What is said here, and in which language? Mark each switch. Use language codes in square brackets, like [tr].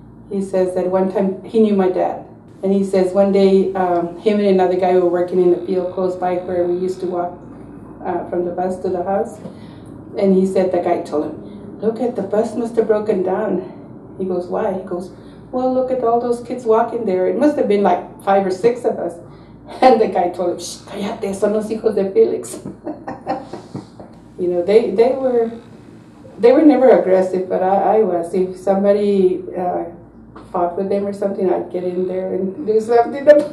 [en] He says that one time he knew my dad, and he says one day him and another guy were working in the field close by where we used to walk from the bus to the house, and he said the guy told him, look at the bus, must have broken down. He goes, why? He goes, well, look at all those kids walking there. It must have been like 5 or 6 of us. And the guy told him, shh, [es] callate, son los hijos de Felix. [en] You know, they were never aggressive, but I was. If somebody fought with them or something, I'd get in there and do something.